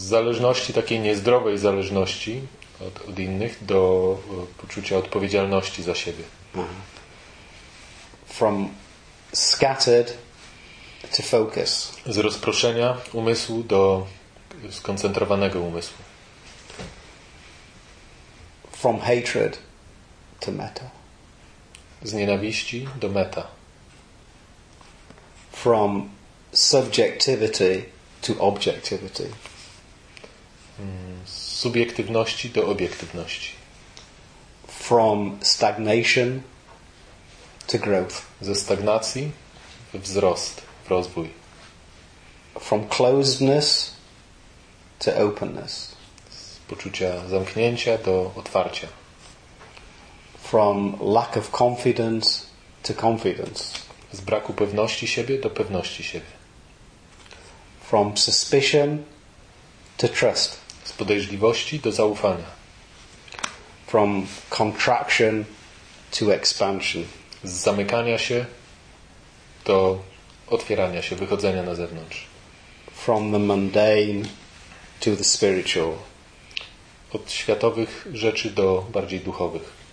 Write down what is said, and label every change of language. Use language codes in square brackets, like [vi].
[pl] zależności, takiej niezdrowej zależności od innych, do poczucia odpowiedzialności za siebie. [en] From scattered to focus. [pl] Z rozproszenia umysłu do skoncentrowanego umysłu. [en] From hatred to metta. [pl] Z nienawiści do metta. [en] From subjectivity to objectivity. [pl] Z subiektywności do obiektywności. [en] From stagnation to growth. [pl] Ze stagnacji w wzrost, w rozwój. [en] From closedness to openness. [pl] Z poczucia zamknięcia do otwarcia. [en] From lack of confidence to confidence. [pl] Z braku pewności siebie do pewności siebie. [en] From suspicion to trust. [pl] Z podejrzliwości do zaufania. [en] From contraction to expansion. [pl] Z zamykania się do otwierania się, wychodzenia na zewnątrz. [en] From the mundane to the spiritual. [pl] Od światowych rzeczy do bardziej duchowych.